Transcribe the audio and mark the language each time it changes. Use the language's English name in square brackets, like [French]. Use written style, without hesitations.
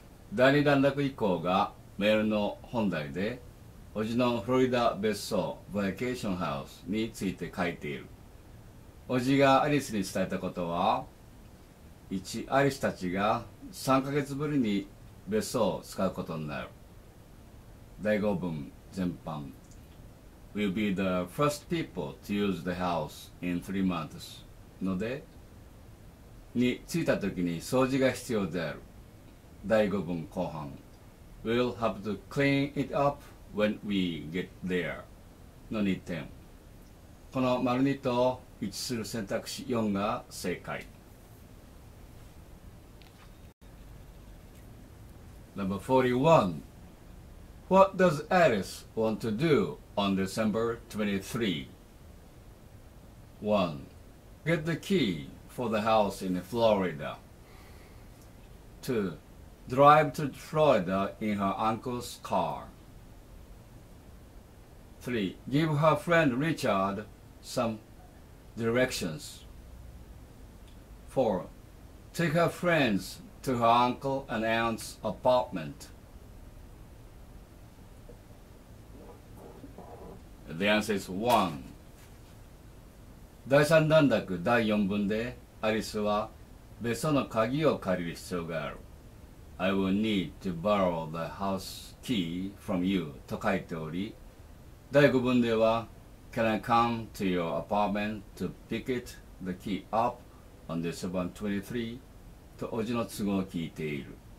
[Japanese] 第2段落以降がメールの本題で、叔父のフロリダ別荘、バケーションハウスについて書いている。おじがアリスに伝えたことは、1、アリスたちが3ヶ月ぶりに別荘を使うことになる。第5文全般。 [English] We'll be the first people to use the house in 3 months. [Japanese] ので、に着いたときに掃除が必要である。第5文後半。 [English] We'll have to clean it up when we get there. [Japanese] の2点。この丸2と一致する選択肢4が正解。 [English] Number 41. What does Alice want to do on December 23? 1. Get the key for the house in Florida. 2. Drive to Florida in her uncle's car. 3. Give her friend Richard some directions. 4. Take her friends to her uncle and aunt's apartment. The answer is 1. [Japanese] 第3段落第4文でアリスは別荘の鍵を借りる必要がある。 [English] I will need to borrow the house key from you [Japanese] と書いており、第5文では [English] Can I come to your apartment to pick it the key up on December 23? [Japanese] とおじの都合を聞いている。